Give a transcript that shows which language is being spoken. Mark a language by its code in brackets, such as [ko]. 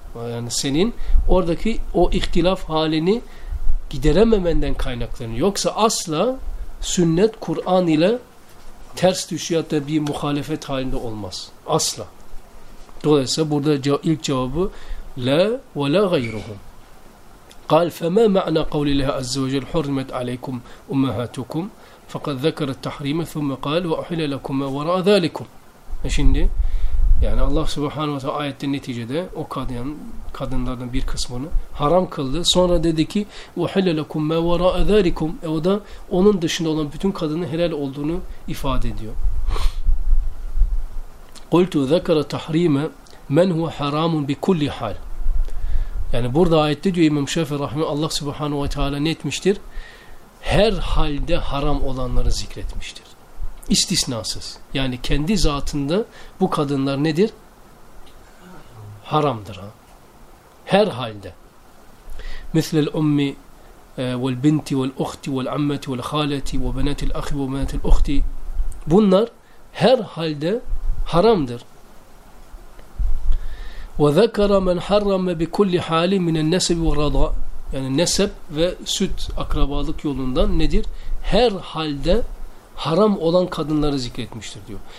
[tr] Yani senin oradaki o ihtilaf halini giderememenden kaynaklanıyor. Yoksa asla sünnet Kur'an ile ters düşüyor da bir muhalefet halinde olmaz. Asla. Dolayısıyla burada ilk cevabı la ve [ar] la gayruhum. قال فما معنى قول الله عز وجل حرمت عليكم أمهاتكم فقد ذكر التحريم ثم قال وأحل لكم ما وراء ذلكم. [tr] Şimdi yani Allah Subhanahu ve Teala ayetin neticede o kadınlardan bir kısmını haram kıldı. Sonra dedi ki [ar] وأحل لكم ما وراء ذلكم. [tr] O da onun dışında olan bütün kadının helal olduğunu ifade ediyor. [ar] قلت ذكر التحريم من هو حرام بكل حال. [tr] Yani burada ayette diyor İmam Şafii Rahim'e Allah Subhanahu ve Teala ne etmiştir? Her halde haram olanları zikretmiştir. İstisnasız. Yani kendi zatında bu kadınlar nedir? Haramdır. Ha? Her halde. [ar] مثل الأم والبنت والأخت والعمة والخالة وبنات الأخ وبنات الأخت. [tr] Bunlar her halde haramdır. [ar] وَذَكَرَ مَنْ حَرَّمَ بِكُلِّ حَالٍ مِنَ النَّسَبِ وَرَضَى. [tr] Yani nesep ve süt akrabalık yolundan nedir? Her halde haram olan kadınları zikretmiştir diyor.